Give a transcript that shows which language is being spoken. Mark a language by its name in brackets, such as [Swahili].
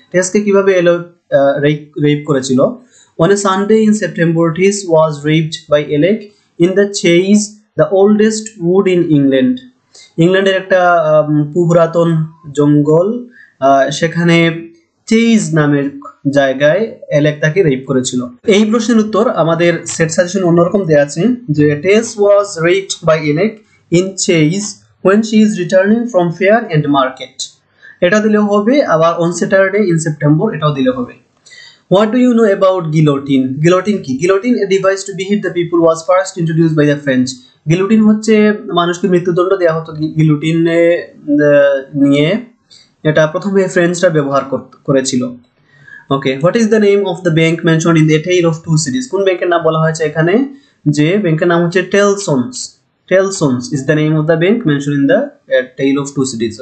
[Bangla] টেসকে কিভাবে এলো রেপ করেছিল? [English] On a Sunday in September Tess was raped by Alec in the Chase, the oldest wood in England. [Bangla] ইংল্যান্ডের একটা পুরাতন জঙ্গল, সেখানে চেজ নামের জায়গায় এলেক তাকে রেপ করেছিল। এই প্রশ্নের উত্তর আমাদের সেট সাজেশন অন্যরকম দেওয়া আছে, যে [English] Tess was raped by Alec in Chase when she is returning from fair and market. [Bangla] এটা দিলেও হবে, আবার [English] on Saturday in September [Bangla] এটাও দিলে হবে। [English] What do you know about guillotine? [Bangla] Guillotine কি? [English] Guillotine a device to behead the people was first introduced by the French. [Bangla] Guillotine হচ্ছে মানুষকে মৃত্যুদণ্ড দেওয়া হতো guillotine নিয়ে, এটা প্রথমে ফ্রেঞ্চরা ব্যবহার করেছিল। [English] Okay, what is the name of the bank mentioned in the tale of two cities? [Bangla] কোন ব্যাংকের নাম বলা হয়েছে এখানে? যে ব্যাংকের নাম হচ্ছে টেলসনস। [English] Tellson's is the name of the bank mentioned in the tale of two cities.